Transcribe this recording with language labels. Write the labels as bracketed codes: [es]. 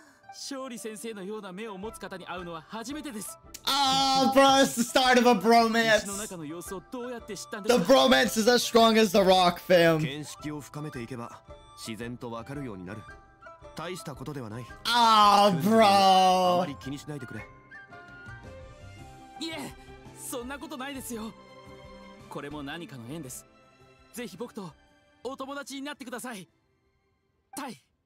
[ja] 勝利先生のような目を持つ方に会うのは初めてです。 [en] bro, it's the start of a bromance. [ja] 石の中の様子をどうやって知ったんですか？ [en] The bromance is as strong as the rock, fam. [ja] 見識を深めていけば自然とわかるようになる。大したことではない。 [en] bro. [ja] あまり気にしないでくれ。いえ、そんなことないですよ。これも何かの縁です。ぜひ僕とお友達になってください。タイ。